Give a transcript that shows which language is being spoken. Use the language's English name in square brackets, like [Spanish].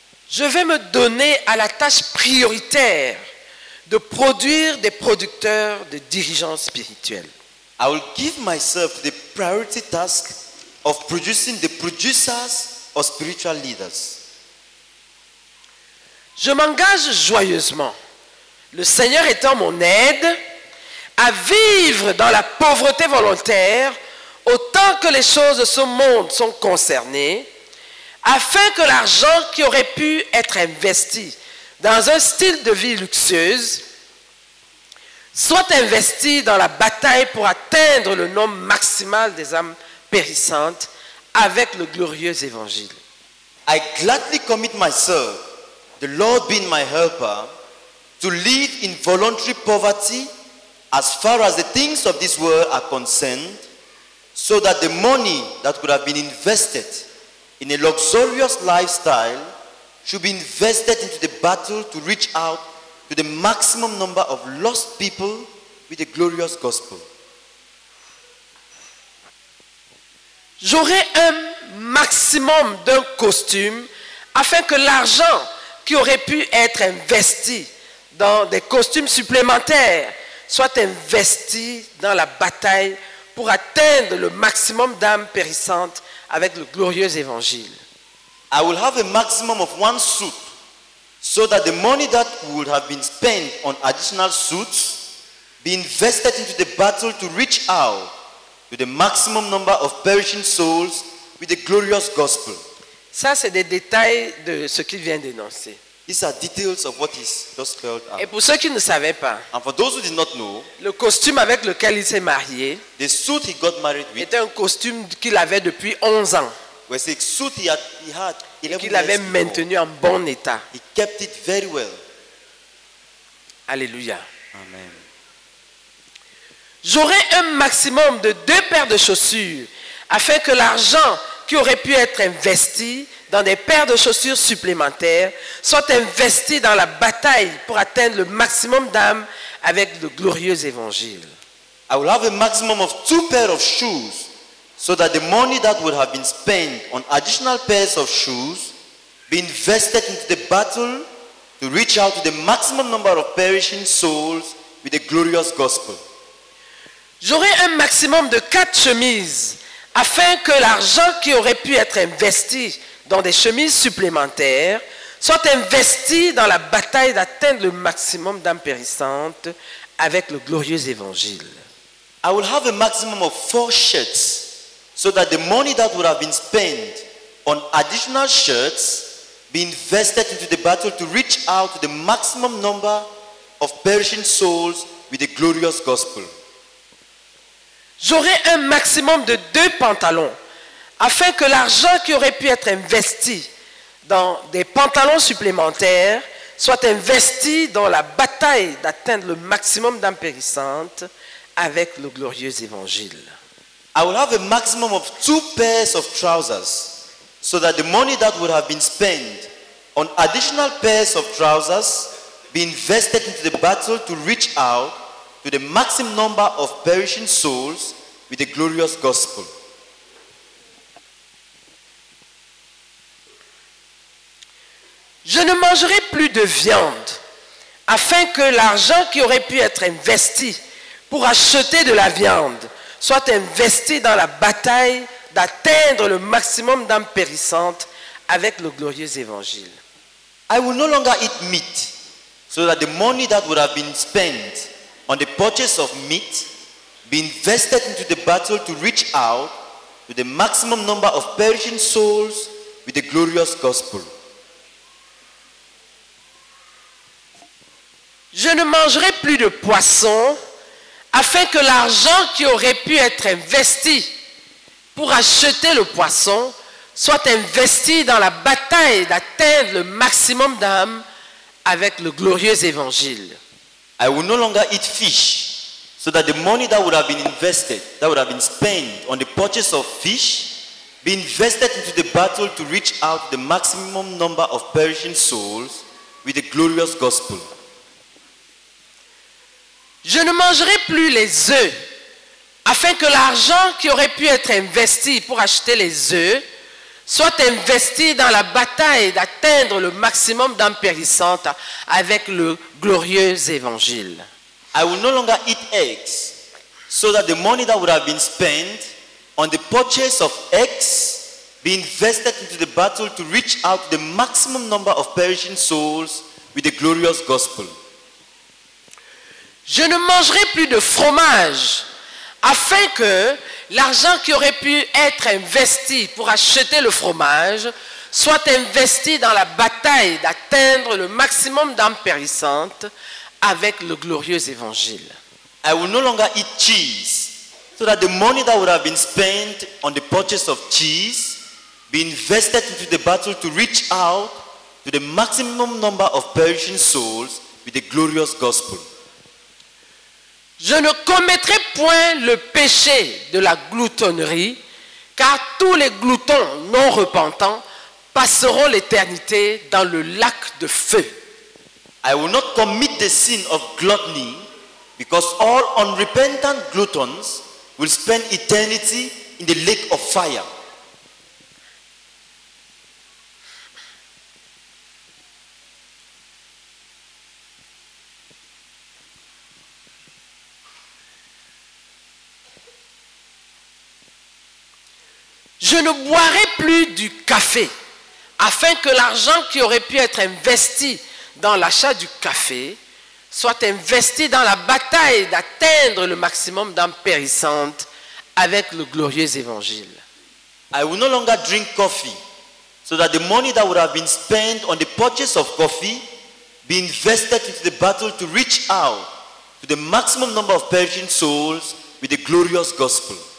[French] Je vais me donner à la tâche prioritaire de produire des producteurs de dirigeants spirituels. [English] I will give myself the priority task of producing the producers or spiritual leaders. [French] Je m'engage joyeusement, le Seigneur étant mon aide, à vivre dans la pauvreté volontaire autant que les choses de ce monde sont concernées, afin que l'argent qui aurait pu être investi dans un style de vie luxueuse soit investi dans la bataille pour atteindre le nombre maximal des âmes périssantes avec le glorieux évangile. [English] I gladly commit myself the Lord being my helper, to live in voluntary poverty as far as the things of this world are concerned, so that the money that could have been invested in a luxurious lifestyle should be invested into the battle to reach out to the maximum number of lost people with the glorious gospel. [French] J'aurai un maximum d'un costume afin que l'argent qui aurait pu être investi dans des costumes supplémentaires soit investi dans la bataille pour atteindre le maximum d'âmes périssantes avec le glorieux évangile. [English] I will have a maximum of one suit so that the money that would have been spent on additional suits be invested into the battle to reach out to the maximum number of perishing souls with the glorious gospel. [French] Ça, c'est des détails de ce qu'il vient d'énoncer. [English] These are details of what is just spelled out. [French] Et pour ceux qui ne savaient pas, [English] and for those who did not know, [French] le costume avec lequel il s'est marié, [English] the suit he got married with, [French] était un costume qu'il avait depuis 11 ans. [English] Was a suit he had 11 [French] et qu'il avait maintenu en bon état. [English] He kept it very well. [French] Alléluia. [English] Amen. [French] J'aurai un maximum de 2 paires de chaussures afin que l'argent qui aurait pu être investi dans des paires de chaussures supplémentaires soit investi dans la bataille pour atteindre le maximum d'âmes avec le glorieux évangile. [English] I will have a maximum of 2 pairs of shoes so that the money that would have been spent on additional pairs of shoes be invested into the battle to reach out to the maximum number of perishing souls with the glorious gospel. [French] J'aurai un maximum de 4 chemises afin que l'argent qui aurait pu être investi dans des chemises supplémentaires soit investi dans la bataille d'atteindre le maximum d'âmes périssantes avec le glorieux évangile. [English] I will have a maximum of 4 shirts so that the money that would have been spent on additional shirts be invested into the battle to reach out to the maximum number of perishing souls with the glorious gospel. [French] J'aurai un maximum de 2 pantalons afin que l'argent qui aurait pu être investi dans des pantalons supplémentaires soit investi dans la bataille d'atteindre le maximum d'âmes périssantes avec le glorieux évangile. [English] I will have a maximum of 2 pairs of trousers so that the money that would have been spent on additional pairs of trousers be invested into the battle to reach out to the maximum number of perishing souls with the glorious gospel. [French] Je ne mangerai plus de viande afin que l'argent qui aurait pu être investi pour acheter de la viande soit investi dans la bataille d'atteindre le maximum d'âmes périssantes avec le glorieux évangile. [English] I will no longer eat meat so that the money that would have been spent on the purchase of meat be invested into the battle to reach out to the maximum number of perishing souls with the glorious gospel. [French] Je ne mangerai plus de poisson afin que l'argent qui aurait pu être investi pour acheter le poisson soit investi dans la bataille d'atteindre le maximum d'âmes avec le glorieux évangile. [English] I will no longer eat fish so that the money that would have been invested, that would have been spent on the purchase of fish, be invested into the battle to reach out the maximum number of perishing souls with the glorious gospel. [French] Je ne mangerai plus les œufs afin que l'argent qui aurait pu être investi pour acheter les œufs soit investi dans la bataille d'atteindre le maximum d'âmes périssantes avec le glorieux évangile. [English] I will no longer eat eggs so that the money that would have been spent on the purchase of eggs be invested into the battle to reach out the maximum number of perishing souls with the glorious gospel. [French] Je ne mangerai plus de fromage afin que l'argent qui aurait pu être investi pour acheter le fromage soit investi dans la bataille d'atteindre le maximum d'âmes périssantes avec le glorieux évangile. [English] I will no longer eat cheese so that the money that would have been spent on the purchase of cheese be invested into the battle to reach out to the maximum number of perishing souls with the glorious gospel. [French] Je ne commettrai point le péché de la gloutonnerie, car tous les gloutons non repentants passeront l'éternité dans le lac de feu. [English] I will not commit the sin of gluttony, because all unrepentant gloutons will spend eternity in the lake of fire. [French] Je ne boirai plus du café, afin que l'argent qui aurait pu être investi dans l'achat du café soit investi dans la bataille d'atteindre le maximum d'âmes périssantes avec le glorieux évangile. [English] I will no longer drink coffee, so that the money that would have been spent on the purchase of coffee be invested into the battle to reach out to the maximum number of perishing souls with the glorious gospel.